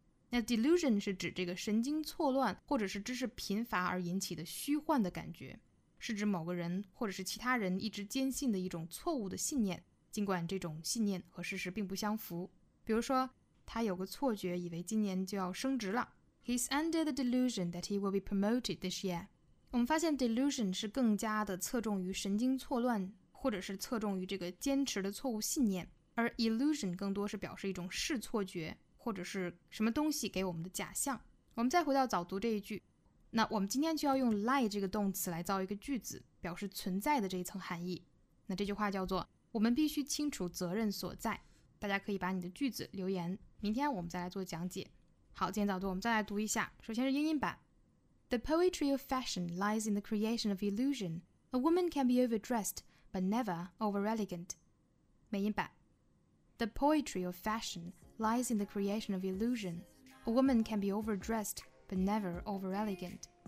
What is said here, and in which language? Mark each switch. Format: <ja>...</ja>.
<zh>那 delusion 是指这个神经错乱或者是知识贫乏而引起的虚幻的感觉，是指某个人或者是其他人一直坚信的一种错误的信念，尽管这种信念和事实并不相符。比如说他有个错觉以为今年就要升职了。</zh> <en>He's under the delusion that he will be promoted this year.</en> <zh>我们发现 delusion 是更加的侧重于神经错乱，或者是侧重于这个坚持的错误信念，而 illusion 更多是表示一种视错觉或者是什么东西给我们的假象。我们再回到早读这一句，那我们今天就要用 lie 这个动词来造一个句子，表示存在的这一层含义。那这句话叫做，我们必须清楚责任所在。大家可以把你的句子留言，明天我们再来做讲解。好，今天早读我们再来读一下，首先是英音版。</zh> <en>The poetry of fashion lies in the creation of illusion. A woman can be overdressed, but never over-elegant.</en> <zh>美音版。</zh> <en>The poetry of fashionLies in the creation of illusion. A woman can be overdressed, but never overelegant.</en>